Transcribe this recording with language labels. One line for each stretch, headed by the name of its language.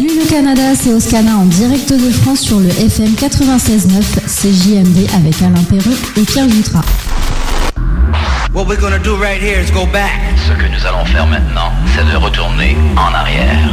French: Canada, c'est Oscana en direct de France sur le FM 96.9, CJMD avec Alain Perreux et Pierre Jutra.
English: What we're gonna do right here is go back.
French: Ce que nous allons faire maintenant, c'est de retourner en arrière.